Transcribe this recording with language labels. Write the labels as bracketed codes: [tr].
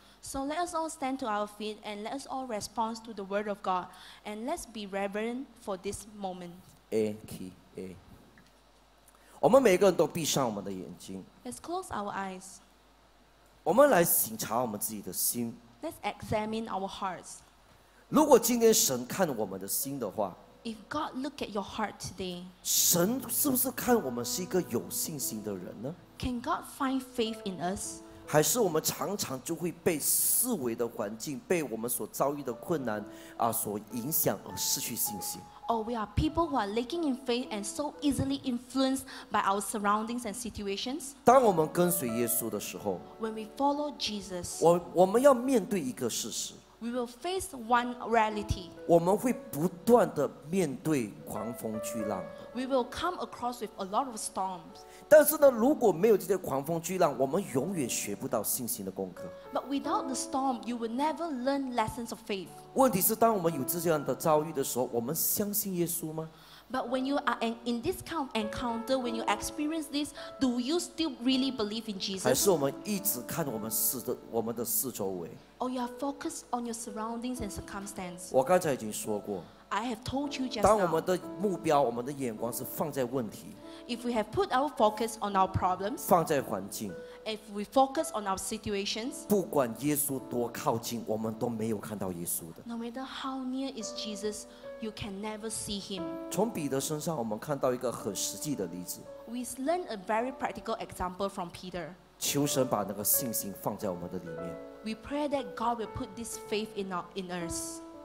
[en] So let us all stand to our feet and let us all respond to the word of God and let's be reverent for this moment. A key A. [zh] 我们每个人都闭上我们的眼睛。 [en] Let's close our eyes. [zh] 我们来省察我们自己的心。 [en] Let's examine our hearts. [zh] 如果今天神看我们的心的话， [en] If God look at your heart today, [zh] 神是不是看我们是一个有信心的人呢？ [en] Can God find faith in us? [zh] 还是我们常常就会被四维的环境，被我们所遭遇的困难啊所影响而失去信心？ [en] Or we are people who are lacking in faith and so easily influenced by our surroundings and situations. [zh] 当我们跟随耶稣的时候， [en] when we follow Jesus, [zh] 我们要面对一个事实， [en] we will face one reality. [zh] 我们会不断地面对狂风巨浪， [en] we will come across with a lot of storms. [zh] 但是呢，如果没有这些狂风巨浪，我们永远学不到信心的功课。 [en] But without the storm, you will never learn lessons of faith. [zh] 问题是当我们有这样的遭遇的时候，我们相信耶稣吗？ [en] But when you are in this kind of encounter, when you experience this, do you still really believe in Jesus? [zh] 还是我们一直看我们的四周围？ [en] Or you are focused on your surroundings and circumstances? [zh] 我刚才已经说过， [en] I have told you just now, [zh] 当我们的目标我们的眼光是放在问题， [en] If we have put our focus on our problems, [zh] 放在环境， [en] If we focus on our situations, [zh] 不管耶稣多靠近，我们都没有看到耶稣的。 [en] No matter how near is Jesus, you can never see him. [zh] 从彼得身上，我们看到一个很实际的例子。 [en] We learn a very practical example from Peter. [zh] 求神把那个信心放在我们的里面。 [en] We pray that God will put this faith in us.